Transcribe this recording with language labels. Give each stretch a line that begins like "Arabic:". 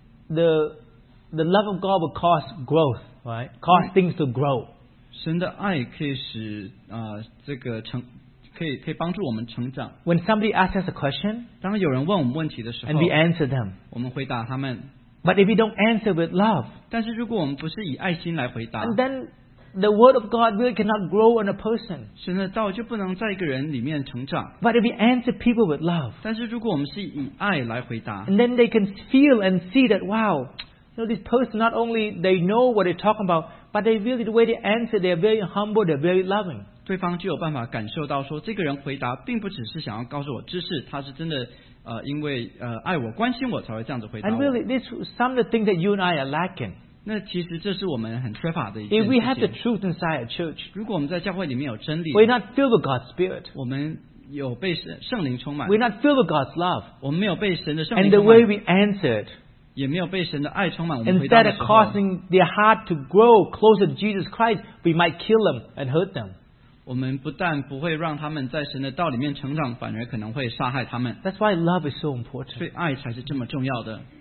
English: The love of God will cause growth, right? Cause things to grow.
Chinese: 神的爱可以使, 这个成, 可以,
English: when somebody asks us a question, and we answer them,
Chinese: 我们回答他们,
English: but if we don't answer with love,
Chinese: 但是如果我们不是以爱心来回答,
English: and then the word of God really cannot grow in a person.
Chinese: 神的道就不能在一个人里面成长,
English: but if we answer people with love,
Chinese: 但是如果我们是以爱来回答,
English: and then they can feel and see that, wow, you know, this person not only they know what they're talking about, but they really, the way they answer, they're very humble, they're very loving.
Chinese: 对方就有办法感受到说, 这个人回答并不只是想要告诉我知识, 他是真的, 因为, 爱我, 关心我才会这样子回答我。
English: And really, this some of the things that you and I are lacking.
Chinese: 那其实这是我们很缺乏的一件事情。
English: If we have the truth inside a church,
Chinese: 如果我们在教会里面有真理,
English: we're not filled with God's Spirit.
Chinese: 我们有被圣灵充满,
English: we're not filled with God's love.
Chinese: 我们没有被神的圣灵充满,
English: and the way we answered,
Chinese: 也没有被神的爱充满,
English: instead of causing their heart to grow closer to Jesus Christ, we might kill them and hurt them.
Chinese: 我们不但不会让他们在神的道里面成长, 反而可能会杀害他们。
English: That's why love is so important.
Chinese: 所以爱才是这么重要的。